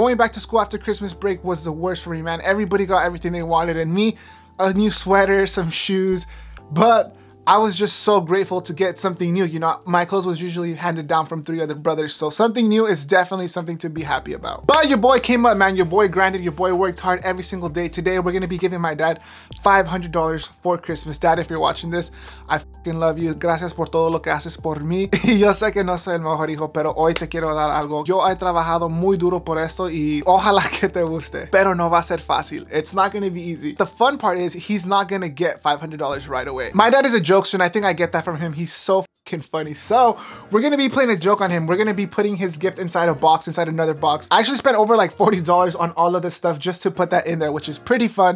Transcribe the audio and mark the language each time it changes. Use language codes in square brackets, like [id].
[en] Going back to school after Christmas break was the worst for me, man. Everybody got everything they wanted, and me, a new sweater, some shoes, but I was just so grateful to get something new. You know, my clothes was usually handed down from three other brothers, so something new is definitely something to be happy about. But your boy came up, man. Your boy grinded, your boy worked hard every single day. Today, we're gonna be giving my dad $500 for Christmas. Dad, if you're watching this, I fucking love you. [es] Gracias por todo lo que haces por mí. Yo sé que no soy el mejor hijo, pero hoy te quiero dar algo. Yo he trabajado muy duro por esto y ojalá que te guste. Pero no va a ser fácil. [en] It's not gonna be easy. The fun part is he's not gonna get $500 right away. My dad is a jokester, and I think I get that from him. He's so fucking funny. So we're gonna be playing a joke on him. We're gonna be putting his gift inside a box, inside another box. I actually spent over like $40 on all of this stuff just to put that in there, which is pretty fun.